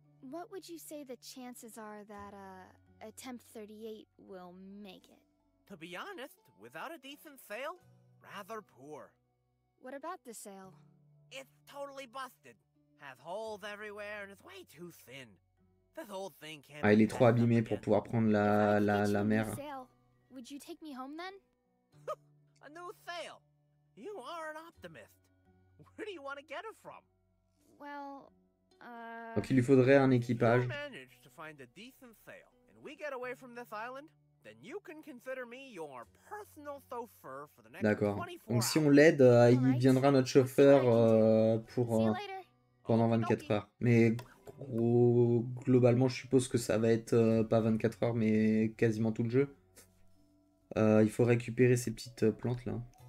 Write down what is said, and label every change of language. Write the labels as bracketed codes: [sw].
[en] What would you say the chances are that attempt 38 will make it? To be honest, without a decent sail, rather poor. What about the sail? It's totally busted. Has holes everywhere and it's way too thin. This old thing can't. [fr] Ah, il est trop abîmé pour pouvoir prendre la mer. [en] Would you take me home then? A new sail. You are an optimist. Where do you want to get it from? Well, [fr] Donc il lui faudrait un équipage. [en] If you manage to find a decent sail and we get away from this island, then you can consider me your personal chauffeur for the next 24 hours. [fr] Donc si on l'aide, il deviendra notre chauffeur pour pendant 24 heures. Mais globalement, je suppose que ça va être pas 24 heures, mais quasiment tout le jeu. Il faut récupérer ces petites plantes là.